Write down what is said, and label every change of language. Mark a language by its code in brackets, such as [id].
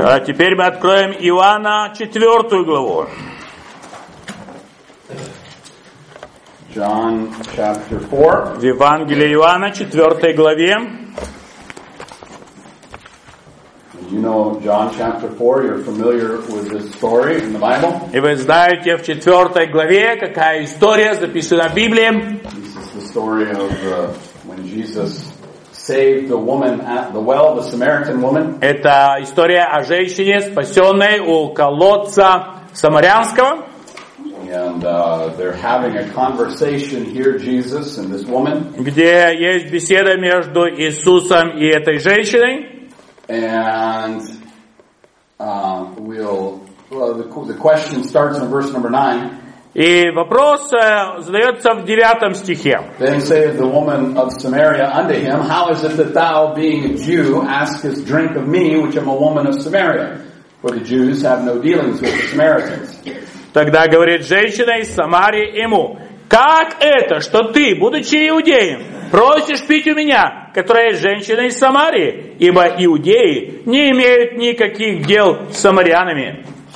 [ru] А теперь мы откроем Иоанна 4 главу. [en] John chapter 4. [ru] В Евангелии Иоанна 4 главе. [en] You know John chapter 4, you're familiar with this story in the Bible. [ru] И вы знаете в 4 главе, какая история записана в Библии. [en] This is the story of when Jesus saved the woman at the well, the Samaritan woman. [ru] Это история о женщине, спасенной у колодца Самарянского. [en] And they're having a conversation here, Jesus and this woman. [ru] Где есть беседа между Иисусом и этой женщиной. [en] And the question starts in verse number 9. [ru] И вопрос задается в 9 стихе. [en] Then saith the woman of Samaria unto him, how is it that thou, being a Jew, askest drink of me, which am a woman of Samaria? For the Jews have no dealings with the Samaritans. [ru] Тогда говорит женщина из Самарии ему, как это, что ты, будучи иудеем, просишь пить у меня, которая женщина из Самарии, ибо иудеи не имеют никаких дел с самарянами.